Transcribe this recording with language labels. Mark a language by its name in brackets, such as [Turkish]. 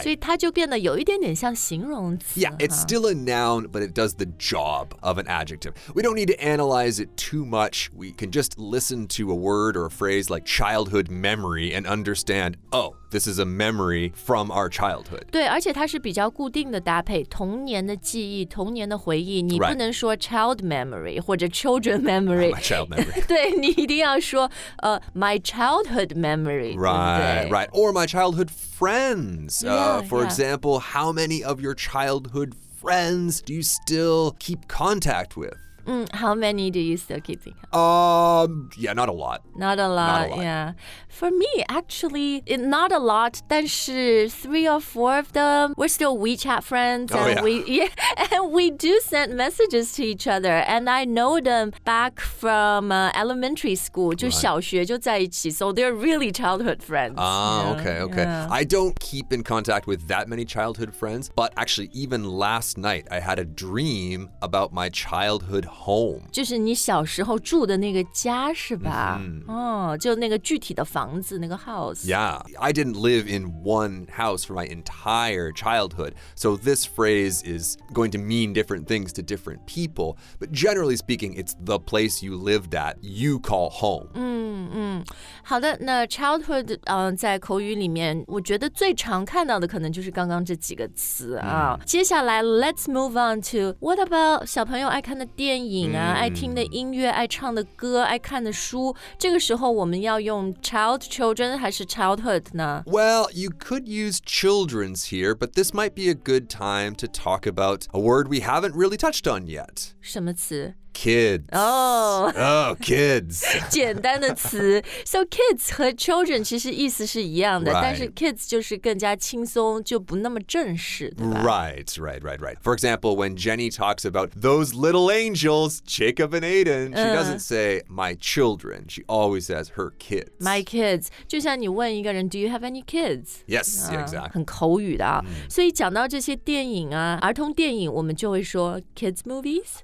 [Chinese] 所以它就变得有一点点像形容词。 [English] Yeah, it's still a noun, but it does the job of an adjective. We don't need to analyze it too much. We can just listen to a word or a phrase like childhood memory and understand, oh,This is a memory from our childhood. [Chinese] 对，而且它是比较固定的搭配，童年的记忆，童年的回忆。你不能说 [English] child memory [Chinese] 或者 [English] children memory. My child memory. [Chinese] 对，你一定要说 [English] my childhood memory. Right, [Chinese] 对不对? [English] right. Or my childhood friends. For example, how many of your childhood friends do you still keep contact with? How many do you still keep in contact? Yeah, not a lot. Not a lot, yeah. For me, actually, not a lot, [Chinese] 但是 [English] three or four of them, we're still WeChat friends. And we do send messages to each other. And I know them back from elementary school, [Chinese] 就小学就在一起. [English] So they're really childhood friends. Okay. Yeah. I don't keep in contact with that many childhood friends, but actually, even last night, I had a dream about my childhood home. [Chinese] 就是你小时候住的那个家是吧、就那个具体的房子那个 house. [English] Yeah, I didn't live in one house for my entire childhood. So this phrase is going to mean different things to different people. But generally speaking, it's the place you lived at, you call home. [Chinese] 好的那 childhood、在口语里面我觉得最常看到的可能就是刚刚这几个词、接下来 [English] let's move on to what about [Chinese] 小朋友爱看的电影电影啊，爱听的音乐，爱唱的歌，爱看的书，这个时候我们要用 child, children, 还是 childhood 呢？ [English] Well, you could use children's here, but this might be a good time to talk about a word we haven't really touched on yet. [Chinese] 什么词？ [English] Kids. Oh, kids. [Chinese] 简单的词。 So kids 和 children 其实意思是一样的、 [English] right. [Chinese] 但是 kids 就是更加轻松就不那么正式对吧 [English] Right. For example, when Jenny talks about those little angels, Jacob and Aiden, she doesn't say my children. She always says her kids. My kids. [Chinese] 就像你问一个人 [English] Do you have any kids? Yes, exactly. [Chinese] 很口语的、所以讲到这些电影啊儿童电影我们就会说 [English] kids movies?